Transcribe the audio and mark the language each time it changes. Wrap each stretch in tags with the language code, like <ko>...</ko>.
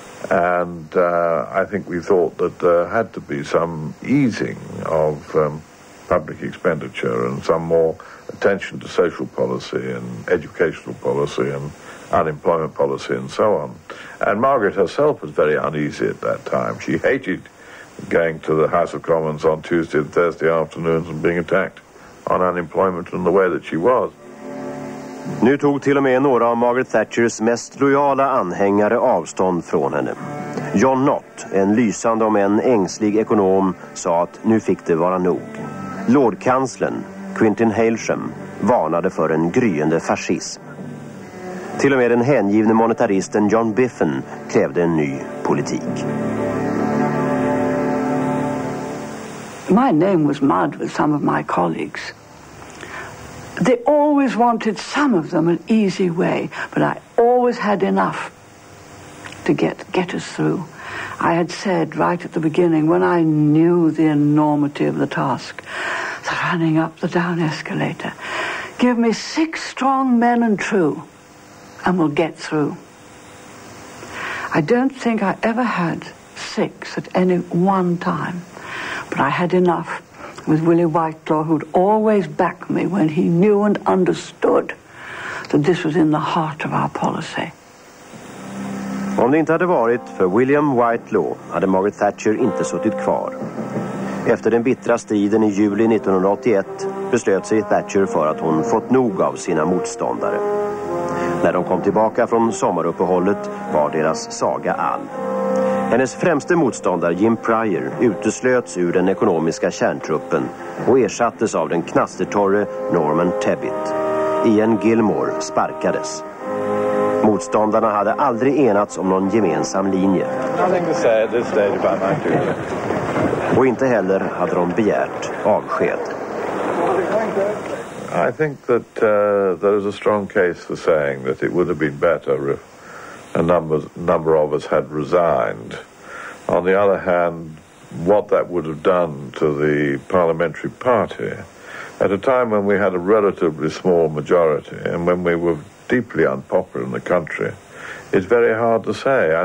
<en>And I think we thought that there had to be some easing of public expenditure and some more attention to social policy and educational policy and unemployment policy and so on. And Margaret herself was very uneasy at that time. She hated going to the House of Commons on Tuesday and Thursday afternoons and being attacked on unemployment in the way that she was.</en> <sv>Nu tog till och med några av Margaret Thatchers mest lojala anhängare avstånd från henne. John Knott, en lysande om en ängslig ekonom, sa att nu fick det vara nog. Lordkanslern, Quintin Hailsham, varnade för en gryende fascism. Till och med den hängivne monetaristen John Biffen krävde en ny politik.</sv> <en>My name was mud with some of my colleagues. They always wanted, some of them, an easy way, but I always had enough to get us through. I had said right at the beginning, when I knew the enormity of the task, the running up the down escalator, give me 6 strong men and true, and we'll get through. I don't think I ever had 6 at any one time, but I had enough. With Willie Whitelaw, who'd always back me when he knew and understood that this was in the heart of our policy.</en> <sv>Om det inte hade varit för William Whitelaw hade Margaret Thatcher inte suttit kvar. Efter den bittra striden i juli 1981 beslöt sig Thatcher för att hon fått nog av sina motståndare. När de kom tillbaka från sommaruppehållet var deras saga all. Hennes främste motståndare Jim Pryor uteslöts ur den ekonomiska kärntruppen och ersattes av den knastertorre Norman Tebbit. Ian Gilmore sparkades. Motståndarna hade aldrig enats om någon gemensam linje. Och inte heller hade de begärt avsked.</sv> <en>I think that there is a strong case for saying that it would have been better if a number of us had resigned. On the other hand, what that would have done to the parliamentary party at a time when we had a relatively small majority and when we were deeply unpopular in the country, it's very hard to say.</en>